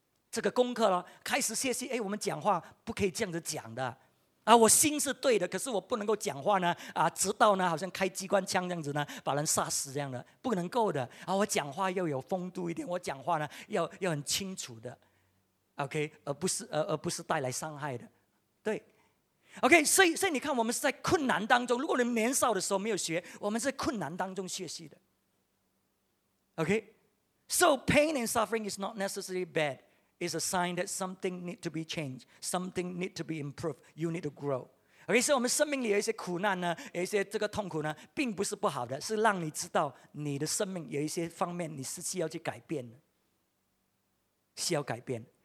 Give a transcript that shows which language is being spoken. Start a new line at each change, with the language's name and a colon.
Chinese: 这个功课了，开始学习，哎，我们讲话不可以这样子讲的啊，我心是对的，可是我不能够讲话呢啊，直到呢好像开机关枪这样子呢，把人杀死这样的，不能够的啊，我讲话要有风度一点，我讲话呢要很清楚的， OK， 而不是带来伤害的。对， OK， 所以你看我们是在困难当中，如果你年少的时候没有学，我们是困难当中学习的。
English: OK， so pain and suffering is not necessarily bad. It's a sign that something need to be changed, something need to be improved. You need to grow.
Chinese: OK， 所以我们生命里有一些苦难呢，有一些这个痛苦呢，并不是不好的，是让你知道你的生命有一些方面你是需要去改变的，需要改变。